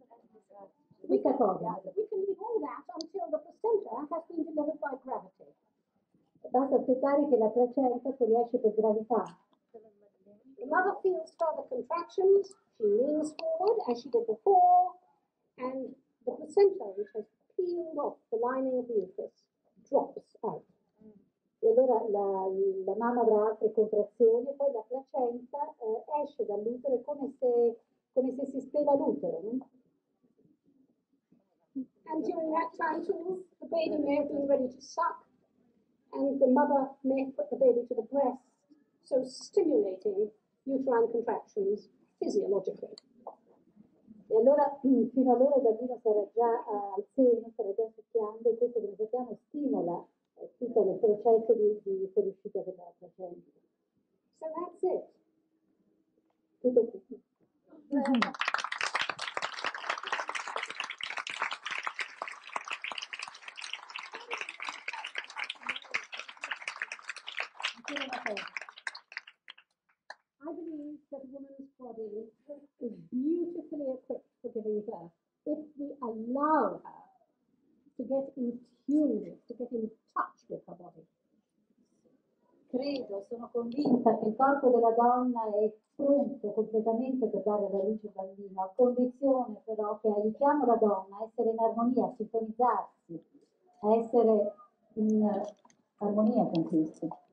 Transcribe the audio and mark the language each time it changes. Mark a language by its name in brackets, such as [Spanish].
[English] We can leave all that until the placenta has been delivered by gravity. [Italian] Basta aspettare che la placenta fuoriesce per gravità. [English] The mother feels further contractions, she leans forward as she did before, and the placenta, which has peeled off the lining of the uterus, drops out. [Italian] E allora la mamma avrà altre contrazioni e poi la placenta esce dall'utero come se si spela l'utero. No? [English] And during that time too, the baby may have been ready to suck and the mother may have put the baby to the breast, so stimulating uterine contractions physiologically. [Italian] E allora, fino allora il bambino sarà già al seno, sarà già succhiando e questo, come sappiamo, stimola tutto nel processo di fuoriuscita della placenta. [English] So that's it. [Italian] Tutto qui. [English] I believe that a woman's body is beautifully equipped for giving birth if we allow her to get in tune with, to get in touch with her body. [Italian] Credo, sono convinta che il corpo della donna è pronto completamente per dare la luce al bambino, a condizione però che aiutiamo la donna a essere in armonia, a sintonizzarsi, a essere in armonia con questo.